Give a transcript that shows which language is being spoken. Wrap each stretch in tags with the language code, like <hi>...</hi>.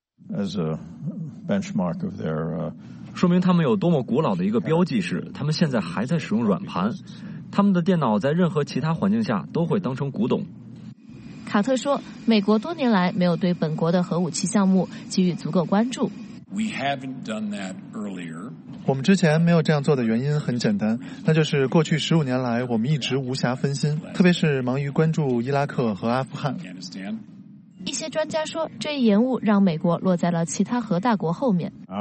<en>As a benchmark of their,</en> <zh>说明他们有多么古老的一个标记是，他们现在还在使用软盘，他们的电脑在任何其他环境下都会当成古董。卡特说，美国多年来没有对本国的核武器项目给予足够关注。</zh> <en>We haven't done that earlier。</en> <zh>我们之前没有这样做的原因很简单，那就是过去15年来我们一直无暇分心，特别是忙于关注伊拉克和阿富汗。一些专家说，这一延误让美国落在了其他核大国后面。</zh>